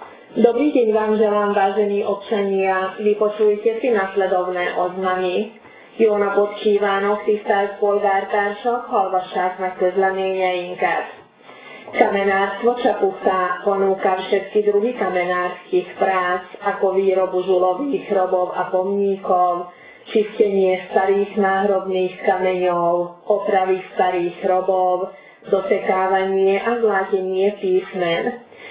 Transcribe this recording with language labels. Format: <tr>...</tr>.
<sk>Dobrý deň vám želám, vážení občania. Vypočujte si nasledovné oznamy.</sk> <hu>Jóna pod kívánok, tisztelt polgártársak, hallgassák meg közleményeinket.</hu> <sk>Kamenárstvo Csapuszá ponúka všetky druhy kamenárských prác, ako výrobu žulových hrobov a pomníkov, čistenie starých náhrobných kameňov, opravy starých hrobov, dosekávanie a zlatenie písmen.</sk>